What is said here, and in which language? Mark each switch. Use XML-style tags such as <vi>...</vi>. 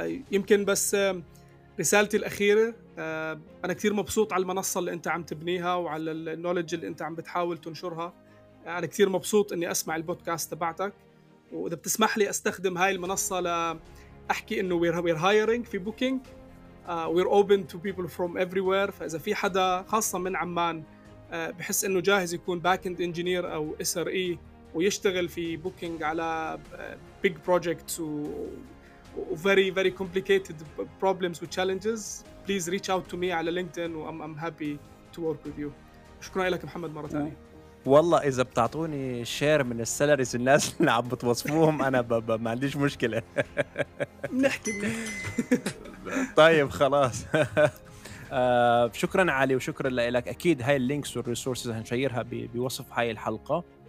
<ar>يمكن بس رسالتي الاخيره, انا كثير مبسوط على المنصه اللي انت عم تبنيها وعلى النوليدج اللي انت عم بتحاول تنشرها. انا كثير مبسوط اني اسمع البودكاست تبعتك, واذا بتسمح لي استخدم هاي المنصه لاحكي انه</ar> <en>we're hiring</en> <ar>في booking.</ar> <en>We're open to people from everywhere.</en> <ar>فإذا في حدا خاصة من عمان بحس إنه جاهز يكون</ar> <en>backend engineer أو SRE</en> <ar>ويشتغل في</ar> <en>booking على big projects و very very complicated problems with challenges, please reach out to me على LinkedIn, and I'm happy to work with you.</en> <ar>شكرا لك محمد مرة تانية. والله إذا بتعطوني شير من السالاريز الناس اللي عم بتوصفوهم أنا ما عنديش مشكلة. نحكي بنحكي. طيب خلاص. شكرا علي وشكرا لك. أكيد هاي اللينكس والريسورسز هنشيرها بوصف هاي الحلقة.</ar>